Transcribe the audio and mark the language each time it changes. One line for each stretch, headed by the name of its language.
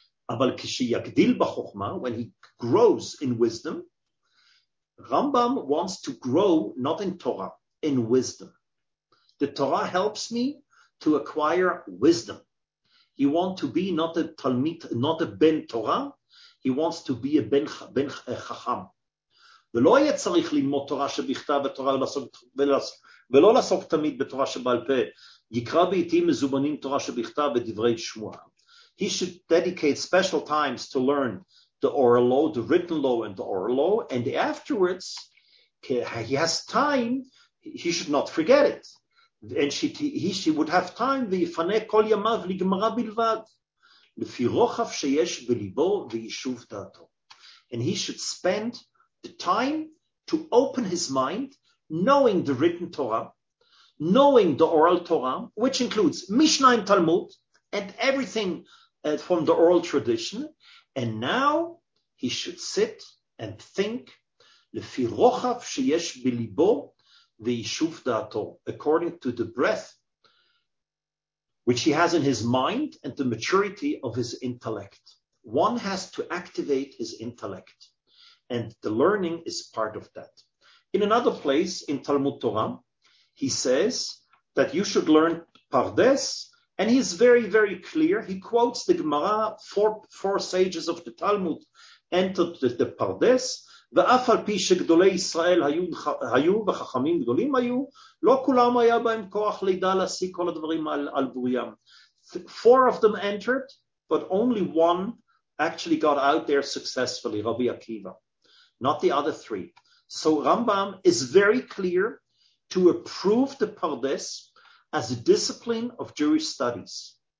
Hebrew: אבל כשיגדיל בחוכמה,
English: when he grows in wisdom, Rambam wants to grow not in Torah, in wisdom. The Torah helps me to acquire wisdom. He wants to be not a Talmid, not a Ben Torah, he wants to be a Ben Chacham.
Hebrew: ולא יהיה צריך ללמוד תורה שבכתב ותורה ולעשות ולא לעסוק תמיד בתורה שבעל פה, יקרא בעיתים מזומנים תורה שבכתב ודברי שמועה.
English: He should dedicate special times to learn the oral law, the written law and the oral law, and afterwards, he has time, he should not forget it. And he would have time,
Hebrew: ויפנה כל ימיו לגמרא בלבד, לפי רוחב שיש בליבו ויישוב דעתו.
English: And he should spend the time to open his mind, knowing the written Torah, knowing the oral Torah, which includes Mishnah and Talmud, and everything from the oral tradition. And now he should sit and think,
Hebrew: לפי רוחב שיש בליבו ויישוב דעתו,
English: according to the breath which he has in his mind and the maturity of his intellect. One has to activate his intellect, and the learning is part of that. In another place, in Talmud Torah, he says that you should learn Pardes, and he's very, very clear. He quotes the Gemara, four sages of the Talmud entered the Pardes,
Hebrew: ואף על פי שגדולי ישראל היו וחכמים גדולים היו, לא כולם היה בהם כוח לידע להשיג כל הדברים על בוריים.
English: Four of them entered, but only one actually got out there successfully, Rabbi Akiva, not the other three. So Rambam is very clear to approve the Pardes as a discipline of Jewish studies.